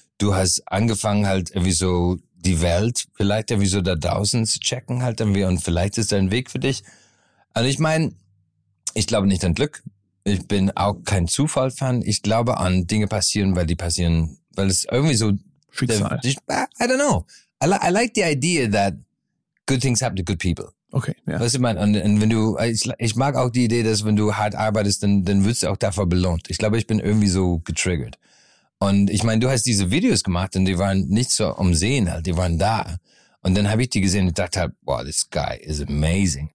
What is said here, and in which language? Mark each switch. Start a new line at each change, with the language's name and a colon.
German: Du hast angefangen halt irgendwie so die Welt vielleicht irgendwie so da draußen zu checken halt irgendwie und vielleicht ist da ein Weg für dich. Also ich meine, ich glaube nicht an Glück. Ich bin auch kein Zufall-Fan. Ich glaube an Dinge passieren, weil die passieren, weil es irgendwie so... Schicksal.
English: I don't know. I like the idea that good things happen to good people.
German: Okay, ja. Was ich meine, und wenn du, ich mag auch die Idee, dass wenn du hart arbeitest, dann wirst du auch dafür belohnt. Ich glaube, ich bin irgendwie so getriggert. Und ich meine, du hast diese Videos gemacht und die waren nicht so umsehen halt, die waren da. Und dann habe ich die gesehen und dachte halt, wow,
English: this guy is amazing.